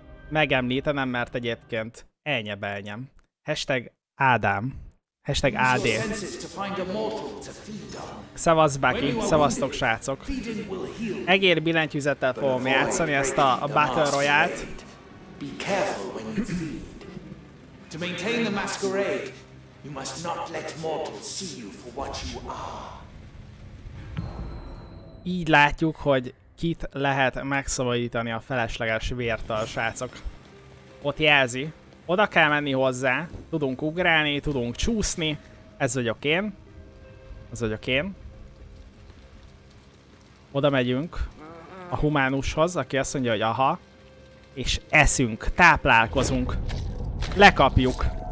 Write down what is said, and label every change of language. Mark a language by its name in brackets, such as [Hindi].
[Hungarian] Megemlítenem, mert egyébként elnye belnyem. Hashtag Ádám. Hashtag AD. Szevasz, Baki. Szevasztok, srácok. Egér billentyűzettel fogom játszani ezt a Battle Royale-t. [English] Be careful when you feed. To maintain the masquerade, you must not let mortals see you for what you are. [Hungarian] Így látjuk, hogy kit lehet megszabadítani a felesleges vértől, srácok. Ott jelzi. Oda kell menni hozzá, tudunk ugrálni, tudunk csúszni, ez vagyok én, Oda megyünk a humánushoz, aki azt mondja, hogy aha, és eszünk, táplálkozunk, lekapjuk.